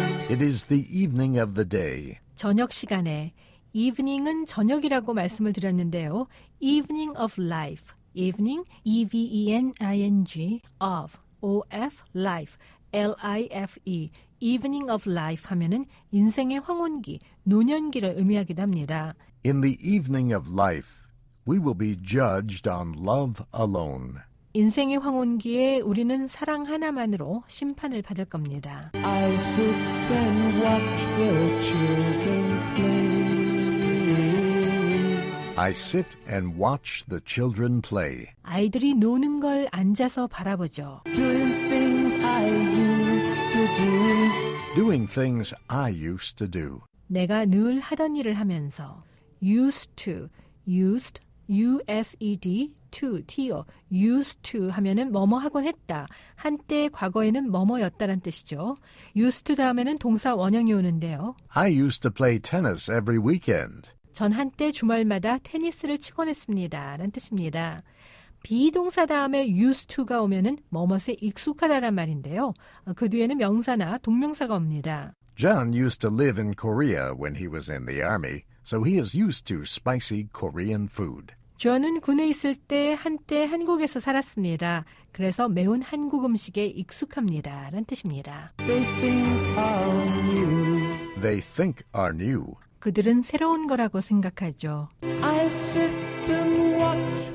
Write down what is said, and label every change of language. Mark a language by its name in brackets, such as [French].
[English] It is the evening of the day. [Korean] 저녁 시간에 evening은 저녁이라고 말씀을 드렸는데요. [English] evening of life. evening evening of of life life. evening of life [Korean] 하면은 인생의 황혼기, 노년기를 의미하기도 합니다. [English] In the evening of life, we will be judged on love alone. [Korean] 인생의 황혼기에 우리는 사랑 하나만으로 심판을 받을 겁니다. [English] I sit and watch the children play. I sit and watch the children play. [Korean] 아이들이 노는 걸 앉아서 바라보죠. [English] Doing things I used to do. Doing things I used to do. [Korean] 내가 늘 하던 일을 하면서 used to, used, U-S-E-D, to, T-O, used to 하면은 뭐뭐 하곤 했다. 한때 과거에는 뭐뭐였다란 뜻이죠. used to 다음에는 동사 원형이 오는데요. [English] I used to play tennis every weekend. [Korean] 전 한때 주말마다 테니스를 치곤 했습니다. 라는 뜻입니다. 비동사 다음에 used to가 오면은 뭐뭐에 익숙하다란 말인데요. 그 뒤에는 명사나 동명사가 옵니다. [English] John used to live in Korea when he was in the army. So he is used to spicy Korean food. [Korean] 저는 군에 있을 때 한때 한국에서 살았습니다. 그래서 매운 한국 음식에 익숙합니다. 라는 뜻입니다. [English] They think are new. They think are new. [Korean] 그들은 새로운 거라고 생각하죠. [English] I sit and watch.